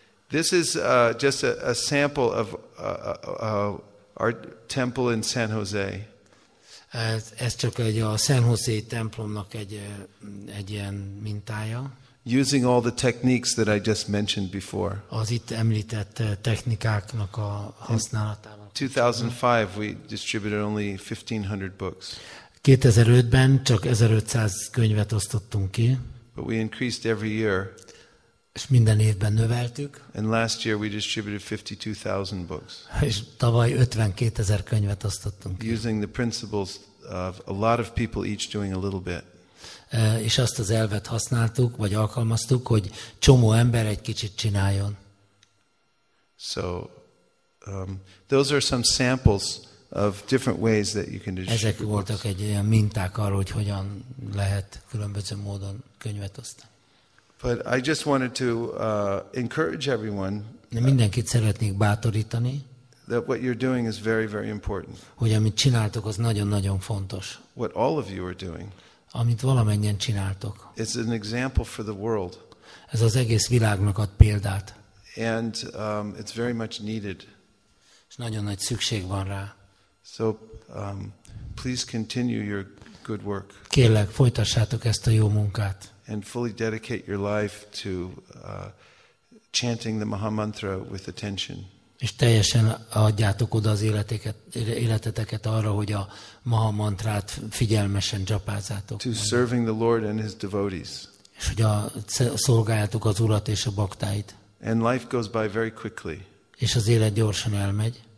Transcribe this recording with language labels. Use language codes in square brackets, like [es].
[en] This is just a sample of our temple in San Jose. [hu] Ez csak a San Jose templomnak egy ilyen mintája. [en] Using all the techniques that I just mentioned before. [hu] Az itt említett technikáknak a használatával. [en] 2005 we distributed only 1500 books. [hu] 2005-ben csak 1500 könyvet osztottunk ki. [en] But we increased every year. [hu] És minden évben növeltük. [en] And last year we distributed 52,000 books. [hu] És tavaly 52,000 könyvet osztottunk ki. [en] Using the principles of a lot of people each doing a little bit. [hu] És azt az elvet használtuk, vagy alkalmaztuk, hogy csomó ember egy kicsit csináljon. [en] So those are some samples of different ways that you can distribute. [hu] Ezek voltak egy olyan minták arról, hogy hogyan lehet különböző módon könyvet osztani. [en] But I just wanted to encourage everyone. [hu] De mindenkit szeretnék bátorítani. [en] That what you're doing is very, very important. [hu] Hogy amit csináltok, az nagyon-nagyon fontos. [en] What all of you are doing. [hu] Amit valamennyien csináltok. [en] It's an example for the world. [hu] Ez az egész világnak ad példát. [en] And it's very much needed. [hu] És nagyon nagy szükség van rá. [en] So please continue your good work. [hu] Kérlek, folytassátok ezt a jó munkát. [en] And fully dedicate your life to chanting the Maha Mantra with attention. [hu] És teljesen adjátok oda az életeteket arra, hogy a Maha Mantrát figyelmesen japázzátok. [en] To serving the Lord and his devotees. [hu] És hogy szolgáljátok az Urat és a baktáit. [en] And life goes by very quickly. [hu] És az élet gyorsan elmegy.